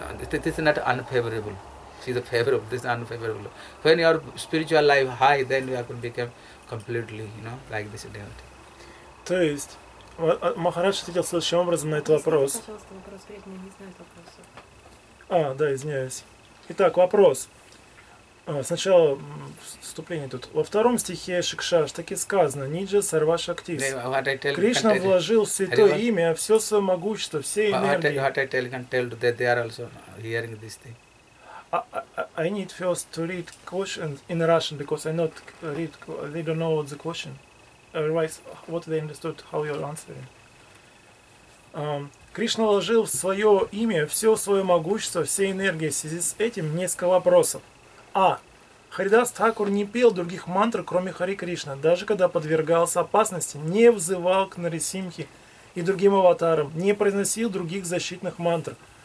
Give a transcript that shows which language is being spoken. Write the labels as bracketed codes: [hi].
[en] This is not unfavorable. See, the favorable, this is unfavorable. When your spiritual life high, then you can become completely, you know, like this devotee. [ru] То есть, Махарадж ответил следующим образом на этот вопрос. Пожалуйста, вопрос, я не знаю этот вопрос. Да, извиняюсь. Итак, вопрос. Сначала вступление тут. Во втором стихе Шикшаш таки сказано «Ниджа Сарва Шактис». Кришна вложил святое имя, все свое могущество, все энергии. [en] I need first to read questions in Russian because I not read, they don't know the question. Otherwise, what they understood, how you're answering. [ru] Кришна вложил в свое имя все свое могущество, все энергии. В связи с этим несколько вопросов. А. Харидас Тхакур не пел других мантр, кроме Хари Кришна, даже когда подвергался опасности, не взывал к Нарисимхе и другим аватарам, не произносил других защитных мантр.